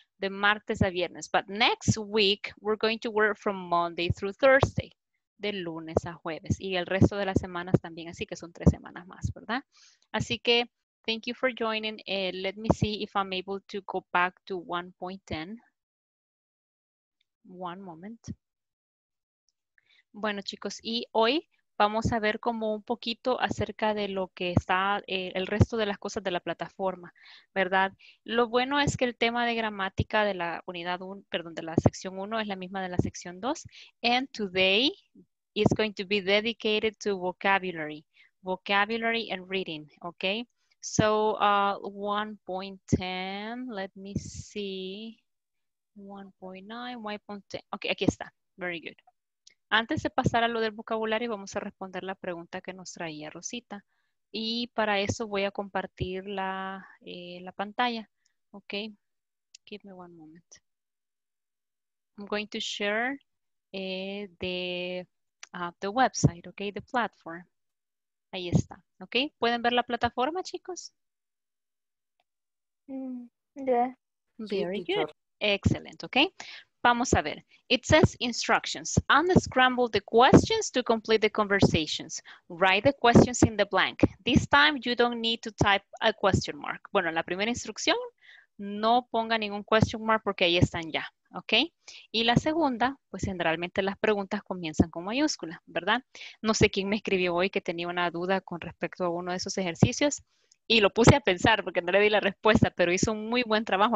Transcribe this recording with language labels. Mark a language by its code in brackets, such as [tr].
[es] De martes a viernes. [en] But next week, we're going to work from Monday through Thursday, [es] de lunes a jueves, y el resto de las semanas también, así que son 3 semanas más, ¿verdad? Así que, [en] thank you for joining. Let me see if I'm able to go back to 1.10. One moment. [es] Bueno, chicos, y hoy vamos a ver como un poquito acerca de lo que está el resto de las cosas de la plataforma, ¿verdad? Lo bueno es que el tema de gramática de la unidad 1, perdón, de la sección 1 es la misma de la sección 2. [en] And today is going to be dedicated to vocabulary. Vocabulary and reading, okay? So 1.10, let me see, 1.9, 1.10, okay, [es] aquí está, [en] very good. [es] Antes de pasar a lo del vocabulario, vamos a responder la pregunta que nos traía Rosita. Y para eso voy a compartir la, la pantalla, okay? [en] Give me one moment. I'm going to share the website, okay, the platform. [es] Ahí está. ¿Ok? ¿Pueden ver la plataforma, chicos? [en] Yeah. Very good. Excellent. ¿Ok? [es] Vamos a ver. [en] It says instructions. Unscramble the questions to complete the conversations. Write the questions in the blank. This time you don't need to type a question mark. [es] Bueno, la primera instrucción, no ponga ningún question mark porque ahí están ya. ¿Ok? Y la segunda, pues generalmente las preguntas comienzan con mayúscula, ¿verdad? No sé quién me escribió hoy que tenía una duda con respecto a uno de esos ejercicios y lo puse a pensar porque no le di la respuesta, pero hizo un muy buen trabajo.